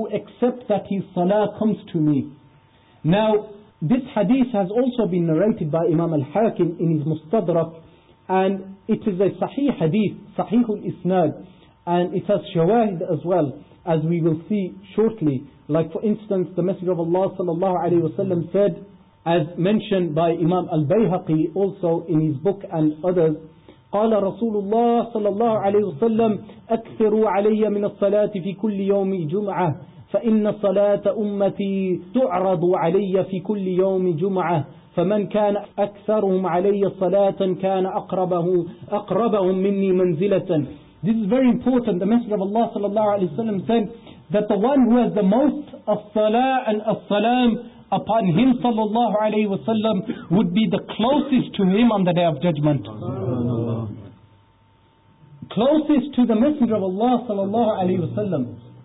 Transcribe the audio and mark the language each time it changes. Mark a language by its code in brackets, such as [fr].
[en] Except that his salah comes to me. Now, this hadith has also been narrated by Imam Al-Hakim in his Mustadrak, and it is a sahih hadith, sahihul isnad, and it has shawahid as well, as we will see shortly. Like for instance, the Messenger of Allah sallallahu alayhi wasallam said, as mentioned by Imam Al-Bayhaqi also in his book and others, [ar] قال رسول الله صلى الله عليه وسلم أكثروا علي من الصلاة في كل يوم جمعة فَإِنَّ صَلَاةَ أُمَّتِي تُعْرَضُ عَلَيَّ فِي كُلِّ يَوْمِ جُمْعَةٍ فَمَنْ كَانَ أَكْثَرُهُمْ عَلَيَّ صَلَاةً كَانَ أَقْرَبَهُمْ مِنِّي مَنْزِلَةً. [en] This is very important. The Messenger of Allah sallallahu alayhi wa sallam said that the one who has the most of salah and of salam upon him sallallahu alayhi wa sallam would be the closest to him on the Day of Judgment. Closest to the Messenger of Allah sallallahu alayhi wa sallam.